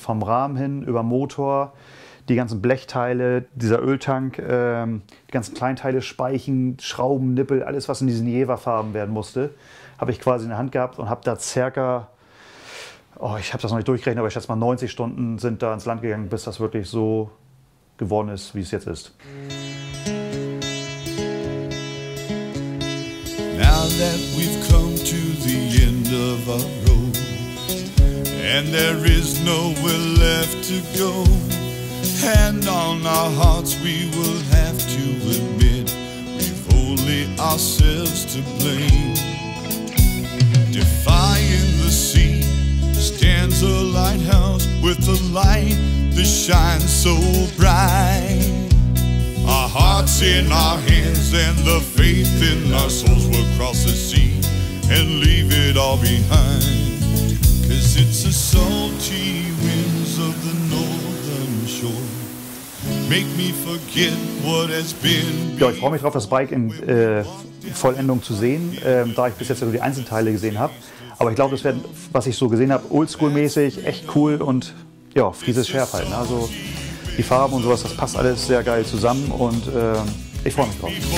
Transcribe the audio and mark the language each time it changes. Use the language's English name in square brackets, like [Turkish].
[German] Vom Rahmen hin, über Motor, die ganzen Blechteile, dieser Öltank, die ganzen Kleinteile, Speichen, Schrauben, Nippel, alles was in diesen Jefa-Farben werden musste, habe ich quasi in der Hand gehabt und habe da circa, ich habe das noch nicht durchgerechnet, aber ich schätze mal 90 Stunden sind da ins Land gegangen, bis das wirklich so geworden ist, wie es jetzt ist. [English] Now that we've come to the end of our road, and there is nowhere left to go, and on our hearts we will have to admit, we've only ourselves to blame. Defying the sea stands a lighthouse with a light that shines so bright. Our hearts in our hands and the faith in our souls, will cross the sea and leave it all behind. 'Cause it's the salty winds of the northern shore make me forget what has been. [German] Ja, ich freue mich drauf, das Bike in Vollendung zu sehen, da ich bis jetzt nur die Einzelteile gesehen habe. Aber ich glaube, das wäre, was ich so gesehen habe, oldschool-mäßig echt cool und ja, frieses Schärf halt. Ne? Also die Farben und sowas, das passt alles sehr geil zusammen und ich freue mich drauf.